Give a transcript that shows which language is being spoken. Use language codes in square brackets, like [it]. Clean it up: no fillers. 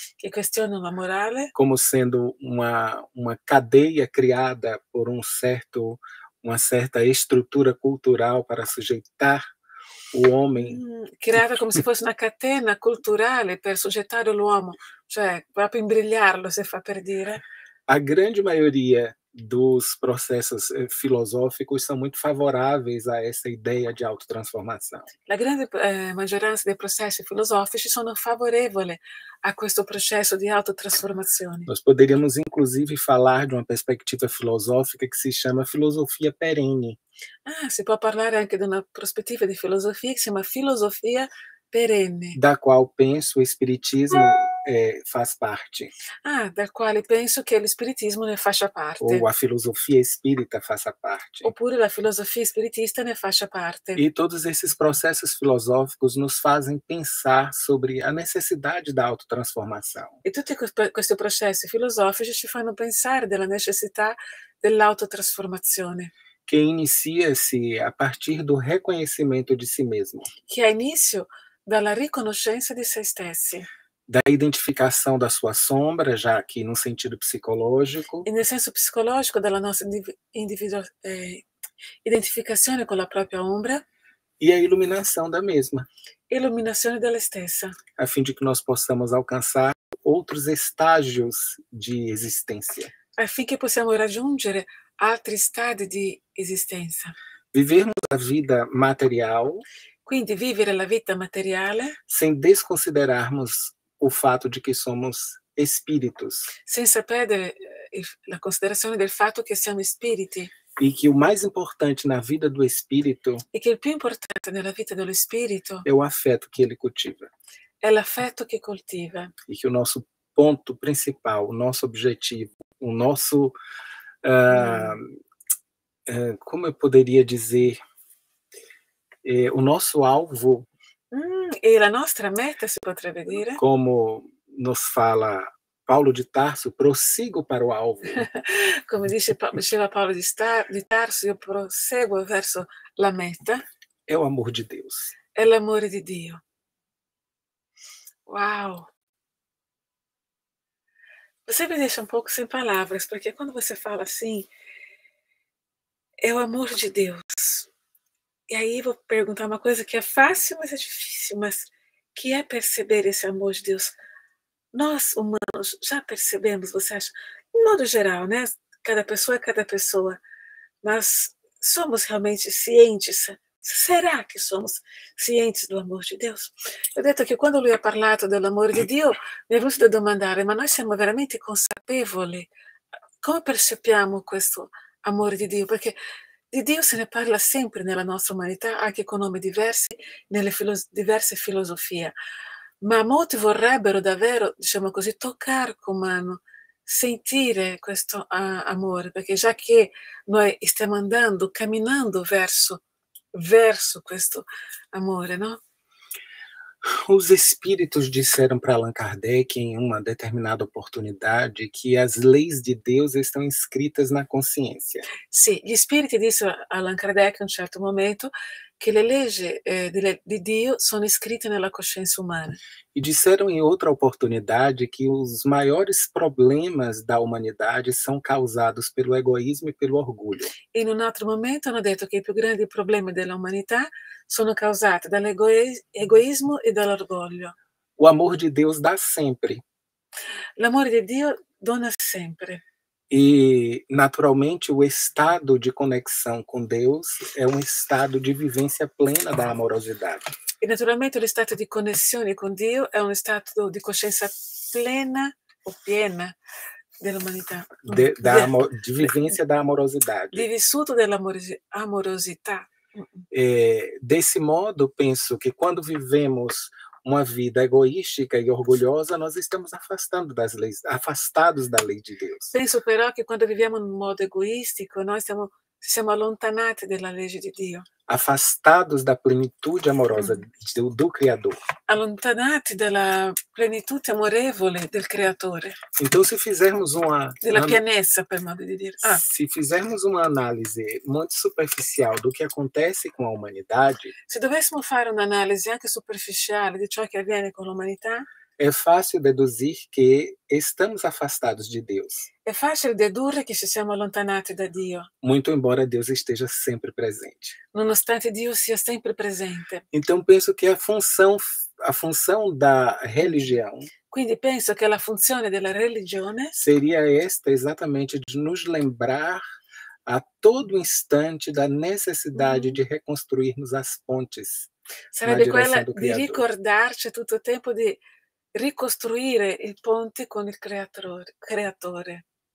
[it] che questionano la morale. [pt] como sendo uma cadeia criada por uma certa estrutura cultural para sujeitar o homem. [it] Creata come se fosse una catena culturale per soggettare l'uomo, cioè proprio imbrigliarlo, se fa per dire. [pt] A grande maioria dos processos filosóficos são muito favoráveis a essa ideia de autotransformação. [it] La grande maggioranza dei processi filosofici sono favorevoli a questo processo di autotrasformazione. [pt] Nós poderíamos, inclusive, falar de uma perspectiva filosófica que se chama filosofia perene. [it] Ah, si può parlare anche di una prospettiva di filosofia che si chiama filosofia perenne. [pt] Da qual penso o Espiritismo faz parte. [it] Ah, da quale penso che l'espiritismo ne faccia [pt] Ou a [it] parte. [pt] filosofia espírita faça parte. [it] Oppure la filosofia spiritista ne faccia [pt] E [it] parte. [pt] todos esses processos filosóficos nos fazem pensar sobre a necessidade da autotransformação. [it] E tutti questi processi filosofici ci fanno pensare della necessità dell'autotrasformazione. [pt] Che inicia-se a partir do reconhecimento de si mesmo. [it] Che ha inizio dalla riconoscenza di se stessi. [pt] Da identificação da sua sombra, já que no sentido psicológico. [it] E nel senso psicologico della nostra identificazione con la propria ombra, [pt] E a iluminação da mesma, [it] illuminazione della stessa. [pt] a fim de que nós possamos alcançar outros estágios de existência. [it] Affinché possiamo raggiungere altri stadi di esistenza. [pt] Vivermos a vida material [it] Quindi vivere la vita materiale [pt] sem desconsiderarmos o fato de que somos espíritos. [it] senza perdere la considerazione del fatto che siamo spiriti [pt] E que o mais importante na vida do espírito [it] e che il più importante nella vita dello spirito [pt] é o afeto [it] che [pt] ele cultiva. [it] è l'affetto che coltiva. [pt] E que o nosso ponto principal, o nosso objetivo, o nosso. Como eu poderia dizer? O nosso alvo, [it] E la nostra meta si potrebbe dire? [pt] como nos fala Paulo de Tarso, prossigo para o alvo. [it] Come diceva Paulo di Tarso, io proseguo verso la meta. [pt] É o amor de Deus. [it] È l'amore di Dio. Uau! [pt] Você me deixa um pouco sem palavras, porque quando você fala assim, é o amor de Deus. E aí vou perguntar uma coisa que é fácil, mas é difícil, mas que é perceber esse amor de Deus? Nós, humanos, já percebemos, você acha? De modo geral, né? Cada pessoa é cada pessoa. Nós somos realmente cientes? Será que somos cientes do amor de Deus? [it] Eu detto che quando lui ha parlato dell'amore di Dio, mi è venuto da domandare, ma noi siamo veramente consapevoli? Come percepiamo questo amore di Dio? Perché di Dio se ne parla sempre nella nostra umanità, anche con nomi diversi, nelle diverse filosofie. Ma molti vorrebbero davvero, diciamo così, toccare con mano, sentire questo amore, perché già che noi stiamo andando, camminando verso questo amore, no? [pt] Os espíritos disseram para Allan Kardec, em uma determinada oportunidade, que as leis de Deus estão escritas na consciência. [it] Sì, gli spiriti dissero a Allan Kardec in un certo momento che le leggi di Dio sono scritte nella coscienza umana. [pt] E disseram em outra oportunidade que os maiores problemas da humanidade são causados pelo egoísmo e pelo orgulho. [it] E in un altro momento hanno detto che i più grandi problemi dell'umanità sono causati dall'egoismo e dall'orgoglio. [pt] O amor de Deus dà sempre. [it] L'amore di Dio dona sempre. [pt] E, naturalmente, o estado de conexão com Deus é um estado de vivência plena da amorosidade. [it] E naturalmente lo stato di connessione con Dio è uno stato di coscienza plena o piena dell'umanità, [pt] De vivência da amorosidade. [it] di vissuto dell'amorosità. [pt] Desse modo, [it] penso che [pt] quando vivemos uma vida egoística e orgulhosa, nós estamos afastando das leis, afastados da lei de Deus. [it] Penso però che quando viviamo in modo egoistico, noi siamo allontanati dalla legge di Dio. [pt] Afastados da plenitude amorosa do Criador. [it] Allontanati dalla plenitudine amorevole del creatore, [pt] Então, se fizermos [it] della pienezza, per modo di dire. Ah. [pt] uma análise muito superficial do que acontece com a humanidade, [it] Se dovessimo fare un'analisi anche superficiale di ciò che avviene con l'umanità, [pt] é fácil deduzir que estamos afastados de Deus. [it] è facile dedurre che ci siamo allontanati da Dio, [pt] Muito embora Deus esteja sempre presente. [it] nonostante Dio sia sempre presente. [pt] Então, penso que a função da religião [it] Quindi penso che la funzione della religione [pt] seria esta, [it] esattamente, di [pt] nos lembrar a todo instante da necessidade di ricostruirmos as pontes na [it] sarebbe quella [pt] direção do [it] di [pt] Criador. [it] ricordarci tutto il tempo di ricostruire il ponte con il creatore.